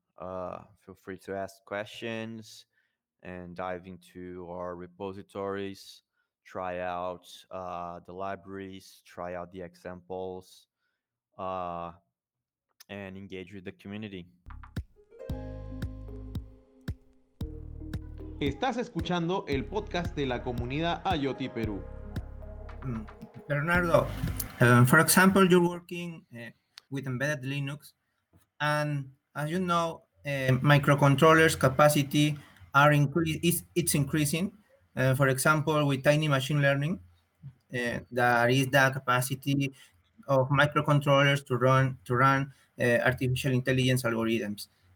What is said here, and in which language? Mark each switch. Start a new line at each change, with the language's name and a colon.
English: Feel free to ask questions and dive into our repositories. Try out the libraries, try out the examples, and engage with the community.
Spanish: Estás escuchando el podcast de la comunidad IoT Perú.
English: Bernardo, for example, you're working with embedded Linux, and as you know, microcontrollers capacity is increasing. For example, with tiny machine learning, that is the capacity of microcontrollers to run artificial intelligence algorithms.